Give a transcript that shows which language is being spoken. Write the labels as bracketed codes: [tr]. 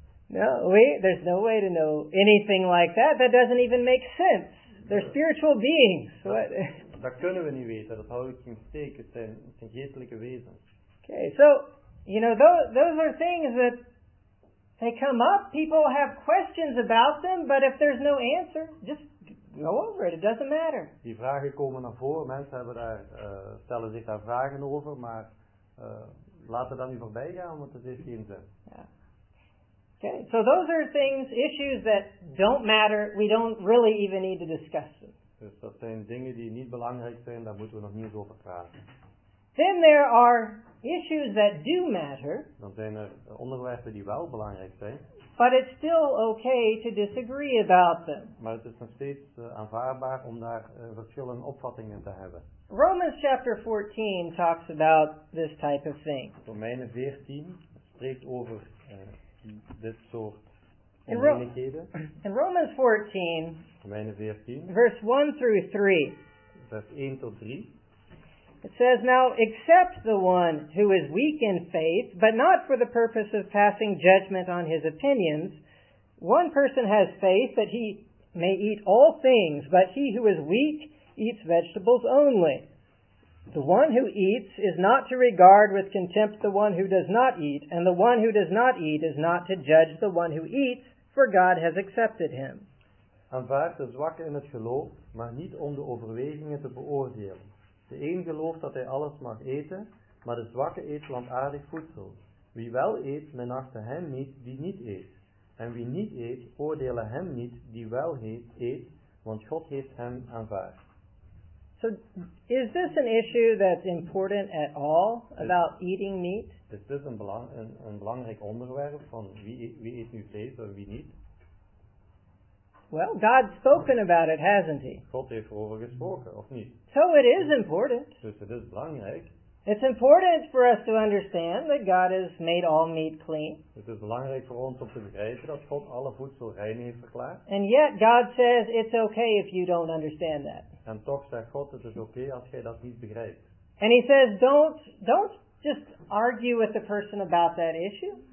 [en] No, there's no way to know anything like that. That doesn't even make sense. They're spiritual beings. What? [nl] Dat kunnen we niet weten. Dat houdt geen steek. Het zijn geestelijke wezens. [en] Okay, so you know those are things that they come up. People have questions about them, but if there's no answer, just go over it. It doesn't matter. [nl] Die vragen komen naar voren. Mensen hebben daar stellen zich daar vragen over, maar laten dan nu voorbij gaan, want het heeft geen zin. [en] Okay, so those are things, issues that don't matter. We don't really even need to discuss them. [nl] Dus dat zijn dingen die niet belangrijk zijn. Daar moeten we nog niet over praten. [en] Then there are issues that do matter. [nl] Dan zijn er onderwerpen die wel belangrijk zijn. [en] But it's still okay to disagree about them. [nl] Maar het is nog steeds aanvaardbaar om daar verschillende opvattingen te hebben. [en] Romans chapter 14 talks about this type of thing. [nl] Romeinen 14 spreekt over dit soort onenigheden. [en] In Romans 14, [nl] Romeinen 14, [en] verse 1 through 3. [nl] Vers 1 tot 3. [en] It says, now accept the one who is weak in faith, but not for the purpose of passing judgment on his opinions. One person has faith that he may eat all things, but he who is weak eats vegetables only. The one who eats is not to regard with contempt the one who does not eat, and the one who does not eat is not to judge the one who eats, for God has accepted him. [nl] Aanvaard de zwakke in het geloof, maar niet om de overwegingen te beoordelen. De een gelooft dat hij alles mag eten, maar de zwakke eet plantaardig voedsel. Wie wel eet, minachte hem niet die niet eet. En wie niet eet, oordelen hem niet die wel eet, want God heeft hem aanvaard. [en] So, is this an issue that's important at all about eating meat? [nl] Is dit een belangrijk onderwerp van wie eet nu vlees en wie niet? [en] Well, God's spoken about it, hasn't he? [nl] God heeft erover gesproken, of niet? [en] So it is important. [nl] Dus het is belangrijk. [en] It's important for us to understand that God has made all meat clean. [nl] Het is belangrijk voor ons om te begrijpen dat God alle voedsel rein heeft verklaard. [en] And yet God says it's okay if you don't understand that. [nl] En toch zegt God het is okay als jij dat niet begrijpt. [en] And he says don't just argue with the person about that issue.